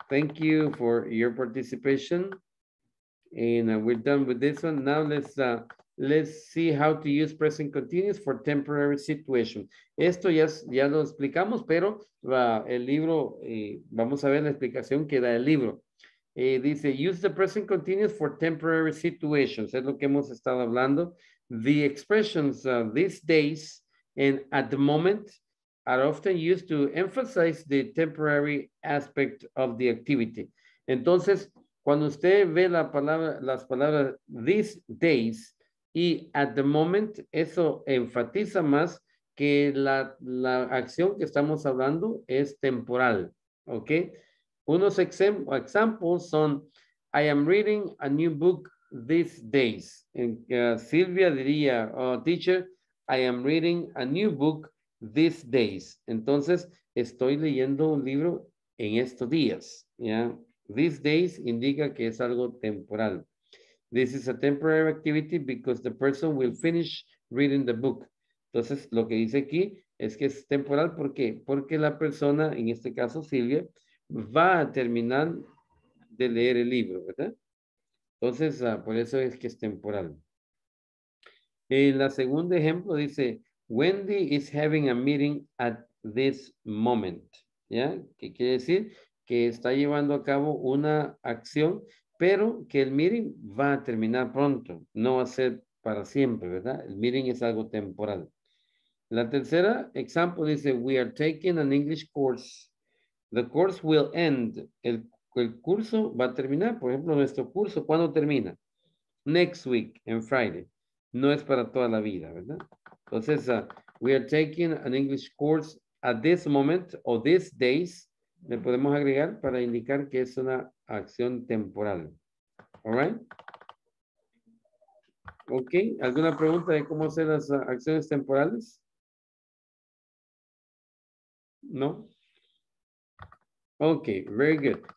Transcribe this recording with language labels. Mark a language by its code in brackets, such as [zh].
[en] Thank you for your participation. And we're done with this one. Now let's see how to use present continuous for temporary situation. [es] Esto ya lo explicamos, pero el libro, vamos a ver la explicación que da el libro. [en] Dice, use the present continuous for temporary situations. [es] Es lo que hemos estado hablando. [en] The expressions these days and at the moment are often used to emphasize the temporary aspect of the activity. [es] Entonces, cuando usted ve la palabra, las palabras these days y at the moment, eso enfatiza más que la acción que estamos hablando es temporal, okay? [en] Unos examples son, I am reading a new book these days. [es] Silvia diría, [en] oh, teacher, I am reading a new book these days. [es] Entonces, estoy leyendo un libro en estos días. [en] Yeah? These days [es] indica que es algo temporal. [en] This is a temporary activity because the person will finish reading the book. [es] Entonces, lo que dice aquí es que es temporal. ¿Por qué? Porque la persona, en este caso Silvia, va a terminar de leer el libro, ¿verdad? Entonces, por eso es que es temporal. En la segunda ejemplo dice, [en] Wendy is having a meeting at this moment. [es] ¿Ya? ¿Qué quiere decir? Que está llevando a cabo una acción, pero que el meeting va a terminar pronto. No va a ser para siempre, ¿verdad? El meeting es algo temporal. La tercera ejemplo dice, [en] we are taking an English course. The course will end. [es] El curso va a terminar. Por ejemplo, nuestro curso, ¿cuándo termina? [en] Next week, [es] en Friday. No es para toda la vida, ¿verdad? [en] Entonces, we are taking an English course at this moment or these days. [es] Le podemos agregar para indicar que es una acción temporal. [en] All right? [es] Ok. ¿Alguna pregunta de cómo hacer las acciones temporales? [en] No. Ok, very good.